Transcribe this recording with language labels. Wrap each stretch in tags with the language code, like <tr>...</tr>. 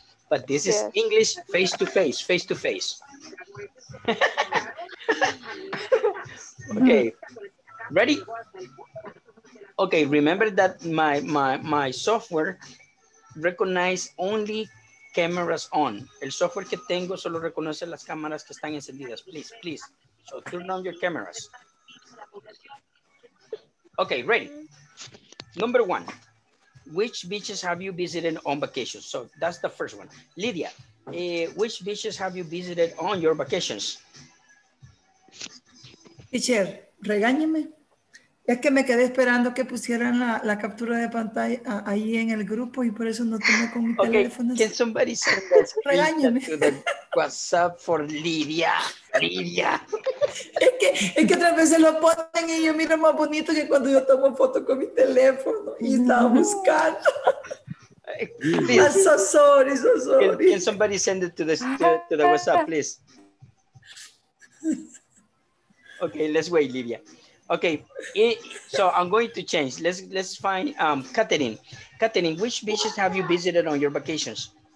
<en>But this is English face to face. Okay, ready? Okay, remember that my software recognize only cameras on.</en> <es>El software que tengo solo reconoce las cámaras que están encendidas.</es> <en>Please. So turn on your cameras. Okay, ready. Number one, which beaches have you visited on vacation? So that's the first one. Lydia, which beaches have you visited on your vacations?</en> <es>Teacher, regáñeme. Es que me quedé esperando que pusieran la captura de pantalla ahí en el grupo y por eso no tengo con mi teléfono.</es> <en>Can somebody send that</en> <es>regáñeme.</es> <en>WhatsApp for Lydia. Lydia. Es que otras veces lo ponen y yo miro más bonito que cuando yo tomo foto con mi teléfono y estaba buscando. I'm so sorry, so sorry. Can somebody send it to the WhatsApp, please? Okay, let's wait, Lydia. Okay, so I'm going to change. Let's find Catherine. Catherine, which beaches have you visited on your vacations?</en>